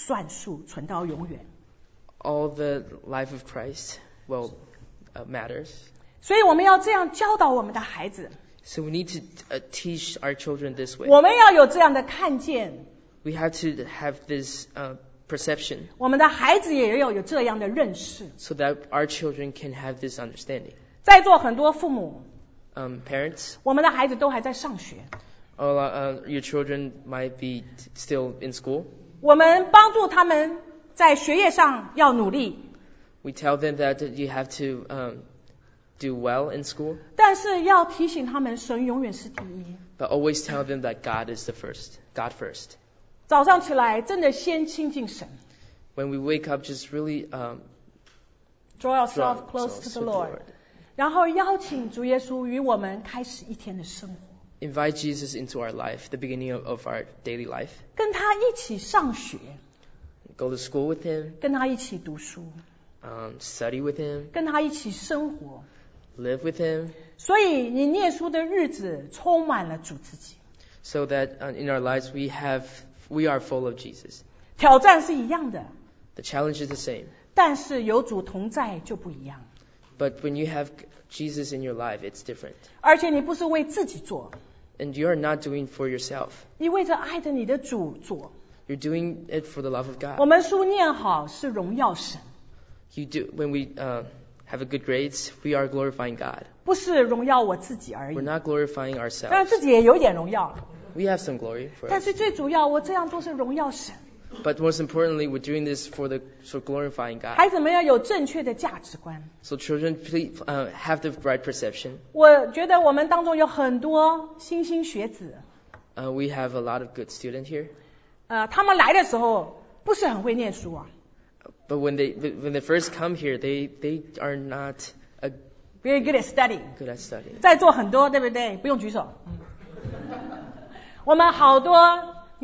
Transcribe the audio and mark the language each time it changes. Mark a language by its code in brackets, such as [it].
[zh] 所有只有基督的生命算数存到永远。 [en] All the life of Christ will matters. [zh] 所以我们要这样教导我们的孩子。 [en] So we need to teach our children this way. [zh] 我们要有这样的看见。 [en] We have to have this perception. [zh] 我们的孩子也要有这样的认识。 [en] So that our children can have this understanding. [zh] 在座很多父母。 [en] Parents. [zh] 我们的孩子都还在上学。 [en] Oh, your children might be still in school. [zh] 我们帮助他们在学业上要努力。 [en] We tell them that you have to do well in school. [zh] 但是要提醒他们神永远是第一。 [en] But always tell them that God is the first. God first. [zh] 早上起来真的先亲近神。 [en] When we wake up, just really draw yourself close to the Lord. [zh] 然后邀请主耶稣与我们开始一天的生活。 [en] Invite Jesus into our life, the beginning of our daily life. [zh] 跟他一起上学。 [en] Go to school with him. [zh] 跟他一起读书。 [en] Study with him. [zh] 跟他一起生活。 [en] Live with him. [zh] 所以你念书的日子充满了主自己。 [en] So that in our lives we are full of Jesus. [zh] 挑战是一样的。 [en] The challenge is the same. [zh] 但是有主同在就不一样。 [en] But when you have Jesus in your life, it's different. [zh] 而且你不是为自己做。 [en] And you are not doing for yourself. [zh] 你为着爱着你的主做。 [en] You're doing it for the love of God. [zh] 我们书念好是荣耀神。 [en] You do when we have a good grades, we are glorifying God. [zh] 不是荣耀我自己而已。 [en] We're not glorifying ourselves. [zh] 但自己也有点荣耀。 [en] We have some glory for us. [zh] 但是最主要我这样做是荣耀神。 [en] But most importantly, we're doing this for glorifying God. [zh] 孩子们要有正确的价值观。 [en] So children, please have the right perception. [zh] 我觉得我们当中有很多新兴学子。 [en] We have a lot of good students here. [zh] 他们来的时候不是很会念书啊。 [en] But when they first come here, they are not a very good at study. Good at studying. [zh] 在座很多对不对？不用举手。我们好多。